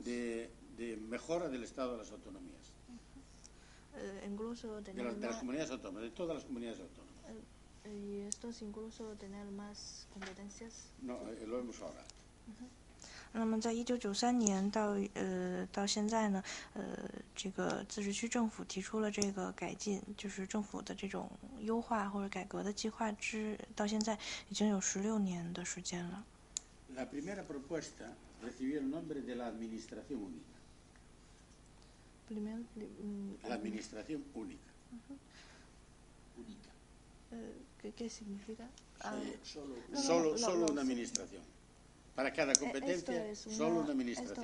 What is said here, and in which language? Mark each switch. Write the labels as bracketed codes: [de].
[es] Propuestas de mejora del estado de las autonomías. Incluso de las comunidades autónomas, de todas las comunidades autónomas. ¿Y estos incluso tener más competencias? No, lo vemos ahora. [zh] 那么在1993年到现在呢这个自治区政府提出了这个改进，就是政府的这种优化或者改革的计划之到现在已经有16年的时间了。 [es] La primera propuesta recibió el nombre de la Administración Única. La Administración Única. ¿Qué significa? Solo una administración. Para cada competencia, solo una administración.